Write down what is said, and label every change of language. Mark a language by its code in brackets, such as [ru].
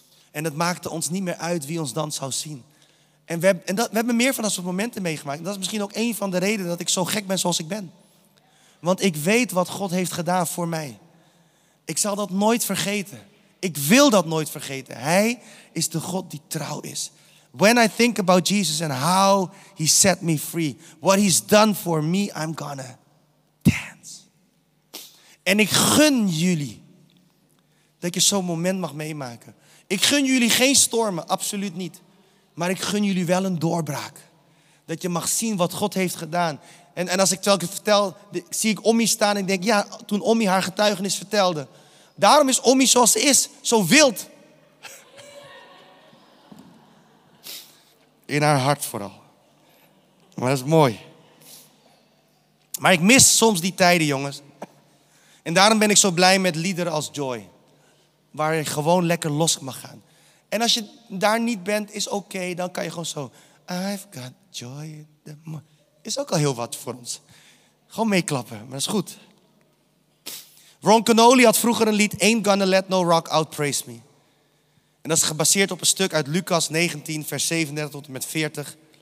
[nl] En het maakte ons niet meer uit wie ons dan zou zien. En we hebben meer van dat soort momenten meegemaakt. En dat is misschien ook een van de redenen dat ik zo gek ben zoals ik ben. Want ik weet wat God heeft gedaan voor mij. Ik zal dat nooit vergeten. Ik wil dat nooit vergeten. Hij is de God die trouw is. [en] When I think about Jesus and how he set me free. What he's done for me, I'm gonna dance. [nl] En ik gun jullie dat je zo'n moment mag meemaken. Ik gun jullie geen stormen, absoluut niet. Maar ik gun jullie wel een doorbraak. Dat je mag zien wat God heeft gedaan. En als ik het elke vertel, zie ik Ommie staan en ik denk, ja, toen Ommie haar getuigenis vertelde. Daarom is Ommie zoals ze is, zo wild. in haar hart vooral. Maar dat is mooi. Maar ik mis soms die tijden, jongens. En daarom ben ik zo blij met liederen als Joy. Waar je gewoon lekker los mag gaan. En als je daar niet bent, is oké. Okay, dan kan je gewoon zo... [en] I've got joy in the morning. [nl] Is ook al heel wat voor ons. Gewoon meeklappen, maar dat is goed. [en] Ron Canoli [nl] had vroeger een lied... [en] Ain't gonna let no rock out praise me. [nl] En dat is gebaseerd op een stuk uit Lucas 19, vers 37 tot en met 40.